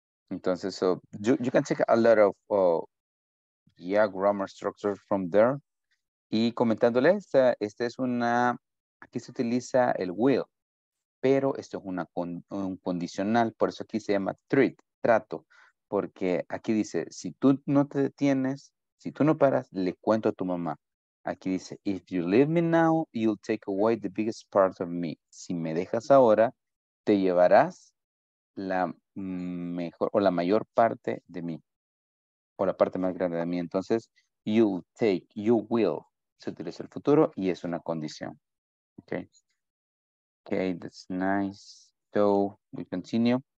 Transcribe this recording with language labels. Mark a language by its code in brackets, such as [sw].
[es] Entonces, [en] so you can check a lot of grammar structure from there. [es] Y comentándoles, este es una, aquí se utiliza el will, pero esto es un condicional, por eso aquí se llama treat, trato, porque aquí dice, si tú no te detienes, si tú no paras, le cuento a tu mamá. Aquí dice, [en] if you leave me now, you'll take away the biggest part of me. [es] Si me dejas ahora, te llevarás la mejor o la mayor parte de mí o la parte más grande de mí. Entonces [en] you'll take, you will, [es] se utiliza el futuro y es una condición. [en] Okay, that's nice. So we continue.